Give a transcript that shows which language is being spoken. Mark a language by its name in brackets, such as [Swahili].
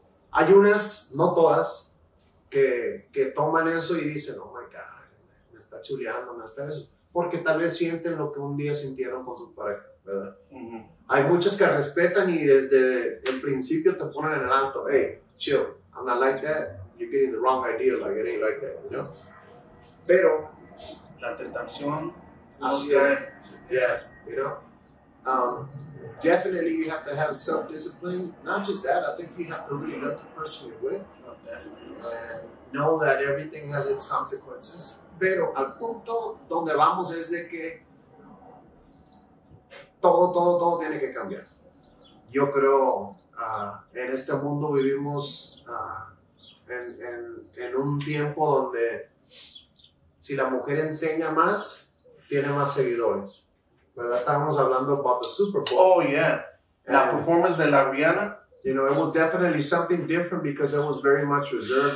[Spanish] Hay unas, no todas, que toman eso y dicen, [English] oh my God, [Spanish] me está chuleando, me está eso. Porque tal vez sienten lo que un día sintieron con su pareja, ¿verdad? Uh-huh. Hay muchas que respetan y desde el principio te ponen en el alto. [English] Hey, chill, I'm not like that. You're getting the wrong idea, like it ain't like that, you know? [Spanish] Pero, la tentación, [English] yeah, you know? Definitely you have to have self-discipline. Not just that, I think you have to really love the person you're with. Definitely. Know that everything has its consequences. [Spanish] Pero, al punto donde vamos es de que todo tiene que cambiar. Yo creo, en este mundo vivimos... En un tiempo donde si la mujer enseña más, tiene más seguidores. ¿Verdad? Estábamos hablando [English] about the Super Bowl. Oh, yeah. [Spanish] La performance de la Rihanna. [English] You know, it was definitely something different because it was very much reserved.